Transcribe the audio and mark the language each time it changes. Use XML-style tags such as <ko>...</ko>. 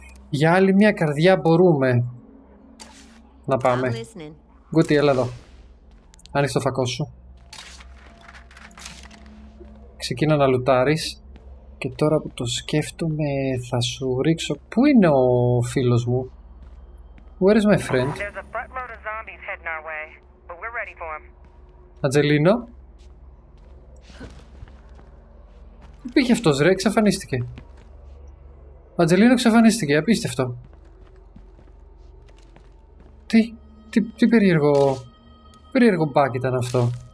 <el>Για άλλη μια καρδιά μπορούμε να πάμε. Γκούτι, έλα εδώ. Άνοιξε το φακό σου. Ξεκίνα να λουτάρεις. Οκ, Και τώρα που το σκέφτομαι, θα σου ρίξω. Πού είναι ο φίλος μου?</el> <en>Where is my friend? There's a buttload of zombies heading our way, but we're ready for them.</en> <el>Αντζελίνο? Πού πήγε αυτός ρε, εξαφανίστηκε. Ο Αντζελίνο εξαφανίστηκε, απίστευτο. Τι περίεργο... Περίεργο bug ήταν αυτό.</el>